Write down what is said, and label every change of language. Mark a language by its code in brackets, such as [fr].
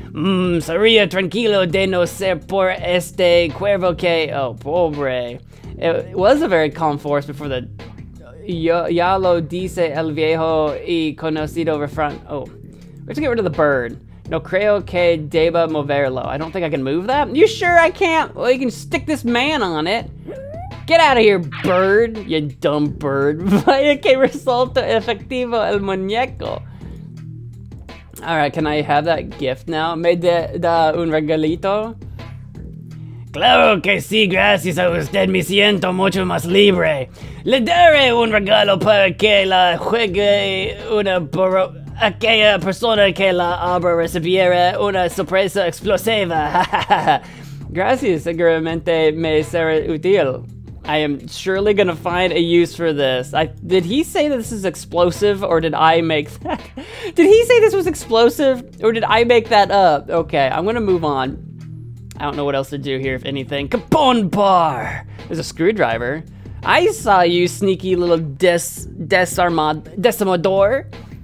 [es] Sería tranquilo de no ser por este cuervo que... [en] Oh, pobre. It was a very calm forest before the... [es] Ya lo dice el viejo y conocido refrán. [en] Oh, we have to get rid of the bird. [es] No creo que deba moverlo. [en] I don't think I can move that. You sure I can't? Well, you can stick this man on it. Get out of here, bird. You dumb bird. [es] Vaya que resulta efectivo el muñeco. [en] All right, can I have that gift now? [es] ¿Me da un regalito? Claro que sí, gracias a usted me siento mucho más libre. Le daré un regalo para que la juegue una por aquella persona que la abra recibiera una sorpresa explosiva. Gracias, seguramente me será útil. [en] I am surely going to find a use for this. Did he say that this is explosive, or did I make that? Did he say this was explosive, or did I make that up? Okay, I'm going to move on. I don't know what else to do here, if anything. Kapon bar! There's a screwdriver. I saw you, sneaky little desarmador.